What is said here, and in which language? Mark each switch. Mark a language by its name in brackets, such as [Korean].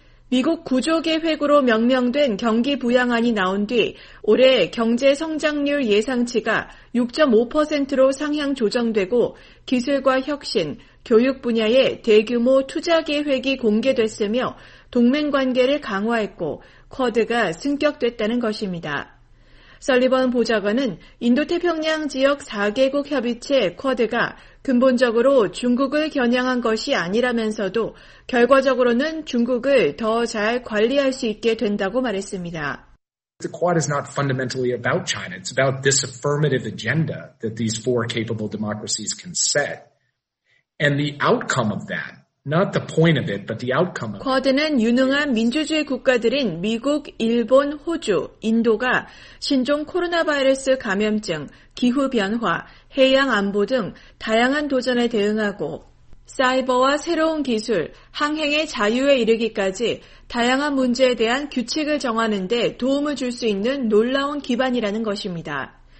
[Korean] 미국 구조계획으로 명명된 경기 부양안이 나온 뒤 올해 경제 성장률 예상치가 6.5%로 상향 조정되고 기술과 혁신, 교육 분야에 대규모 투자 계획이 공개됐으며 동맹관계를 강화했고 쿼드가 승격됐다는 것입니다. 설리번 보좌관은 인도태평양 지역 4개국 협의체 쿼드가 근본적으로 중국을 겨냥한 것이 아니라면서도 결과적으로는 중국을 더 잘 관리할 수 있게 된다고 말했습니다. [English] The Quad is not fundamentally about China. It's about this affirmative agenda that these four capable democracies can set. And the outcome of that, not the point of it, but the outcome of it. [Korean] 쿼드는 유능한 민주주의 국가들인 미국, 일본, 호주, 인도가 신종 코로나 바이러스 감염증, 기후변화, 해양 안보 등 다양한 도전에 대응하고 사이버와 새로운 기술, 항행의 자유에 이르기까지 다양한 문제에 대한 규칙을 정하는 데 도움을 줄 수 있는 놀라운 기반이라는 것입니다.